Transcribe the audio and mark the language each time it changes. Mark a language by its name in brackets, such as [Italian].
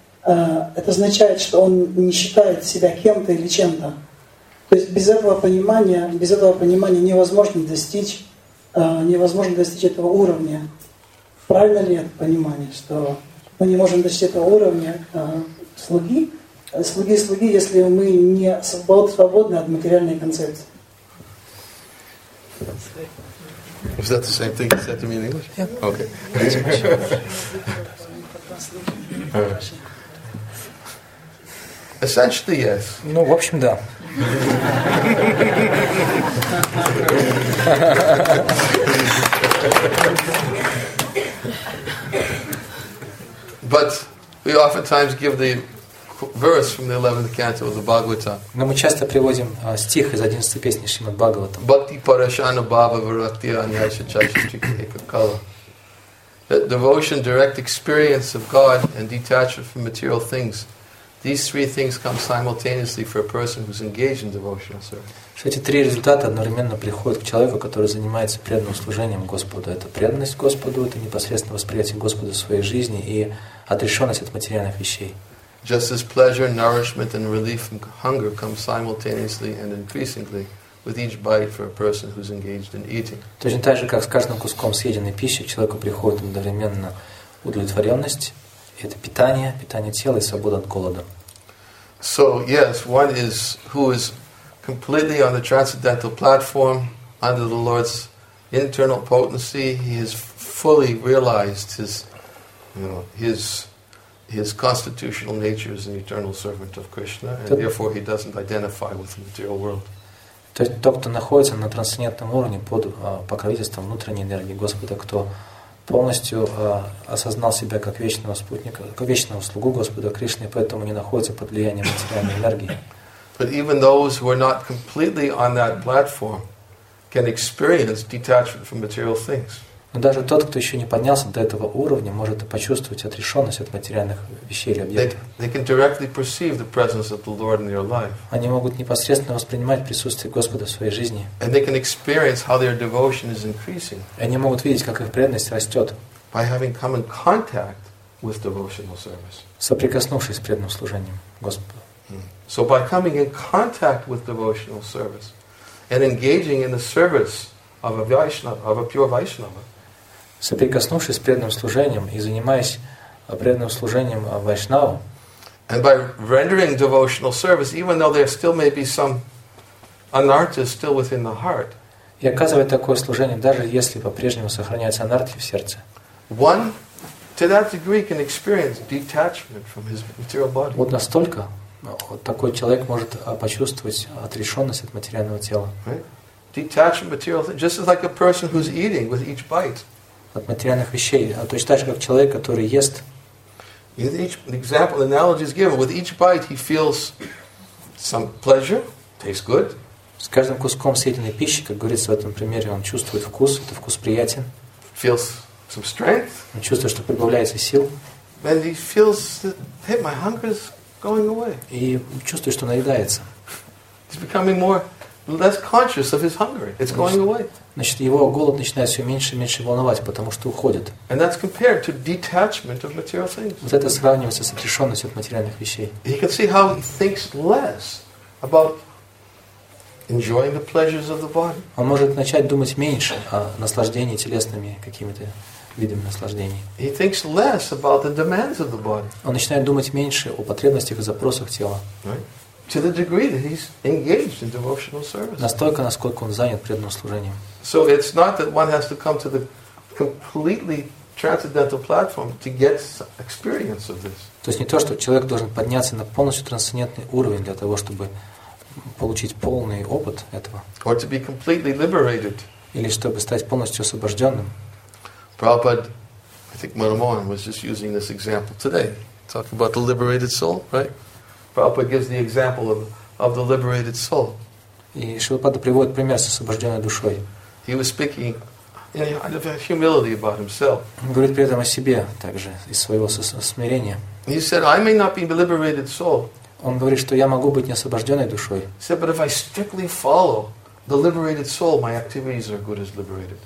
[Russian] Это означает, что он не считает себя кем-то или чем-то. То есть без этого понимания невозможно достичь невозможно достичь этого уровня. Правильно ли это понимание, что мы не можем достичь этого уровня слуги? Слуги, если мы не свободны от материальной концепции. [English] Is that the same thing you said to me in English? Yeah. Okay. Essentially, yes. [Russian] Ну, в общем, да. [English] But we oftentimes give the verse from the 11th canto of the Bhagavatam. [Russian] Но мы часто приводим стих из 11-й песни Шримад Бхагаватам. [Sanskrit] Bhakti parashana bhava virakti anyasya chaishtika ekakala. [English] That devotion, direct experience of God and detachment from material things. These three things come simultaneously for a person who's engaged in devotional service. [Russian] Эти три результата одновременно приходят к человеку, который занимается преданным служением Господу. Это преданность Господу, это непосредственное восприятие Господа в своей жизни и отрешенность от материальных вещей. [English] Just as pleasure, nourishment, and relief from hunger come simultaneously and increasingly with each bite for a person who's engaged in eating. [Russian] Точно так же, как с каждым куском съеденной пищи, человеку приходит одновременно удовлетворенность. Это питание, питание тела и свобода от голода. [English] So, yes, one is who is completely on the transcendental platform under the Lord's internal potency. He has fully realized his constitutional nature as an eternal servant of Krishna, and therefore he doesn't identify with the material world. [Russian] То есть тот, кто находится на трансцендентном уровне под покровительством внутренней энергии Господа, кто полностью осознал себя как вечного спутника, как вечного слугу Господа Кришны, поэтому не находится под влиянием материальной энергии. [English] But even those who are not completely on that platform can experience detachment from material things. [Russian] Но даже тот, кто еще не поднялся до этого уровня, может почувствовать отрешенность от материальных вещей или объектов. [English] They can directly perceive the presence of the Lord in their life. [Russian] Они могут непосредственно воспринимать присутствие Господа в своей жизни. [English] And they can experience how their devotion is increasing. [Russian] И они могут видеть, как их преданность растет. [English] By having come in contact with devotional service. [Russian] Соприкоснувшись с преданным служением Господу. [English] So by coming in contact with devotional service and engaging in the service of a Vaishnava, of a pure Vaishnava. [Russian] Соприкоснувшись с преданным служением и занимаясь преданным служением Вайшнава. [English] And by rendering devotional service, even though there still may be some anartha still within the heart. [Russian] И оказывать такое служение, даже если по-прежнему сохраняется анартхи в сердце. [English] One to that degree can experience detachment from his material body. [Russian] Вот настолько такой человек может почувствовать отрешенность от материального тела. [English] Detached from material things, just as like a person who's eating with each bite. [Russian] От материальных вещей, а точно так же, как человек, который ест. [English] With each example, the analogy is given. With each bite, he feels some pleasure, tastes good. [Russian] С каждым куском съеденной пищи, как говорится в этом примере, он чувствует вкус, это вкус приятен. [English] Feels some strength. [Russian] Он чувствует, что прибавляется сил. [English] And he feels that, hey, my hunger is going away. [Russian] И чувствует, что наедается. [English] He's becoming more less conscious of his hunger. It's going away. [Russian] Значит, его голод начинает все меньше и меньше волновать, потому что уходит. [English] And that's compared to detachment of material things. [Russian] Вот это сравнивается с отрешенностью от материальных вещей. [English] He can see how he thinks less about enjoying the pleasures of the body. [Russian] Он может начать думать меньше о наслаждении телесными какими-то видами наслаждений. [English] He thinks less about the demands of the body. [Russian] Он начинает думать меньше о потребностях и запросах тела. [English] Right? To the degree that he's engaged in devotional service. [Russian] Настолько, насколько он занят преданным служением. [English] So it's not that one has to come to the completely transcendental platform to get experience of this. [Russian] То есть не то, что человек должен подняться на полностью трансцендентный уровень для того, чтобы получить полный опыт этого. [English] Or to be completely liberated. [Russian] Или чтобы стать полностью освобожденным. [English] Prabhupada, I think Manamohan was just using this example today, talking about the liberated soul, right? Prabhupada gives the example of the liberated soul. [Russian] И Шилопада приводит пример с освобожденной душой. [English] He was speaking in a humility about himself. [Russian] Говорит при этом о себе также из своего смирения. [English] He said, "I may not be a liberated soul." [Russian] Он говорит, что я могу быть не освобожденной душой. [English] He said, "But if I strictly follow the liberated soul, my activities are good as liberated."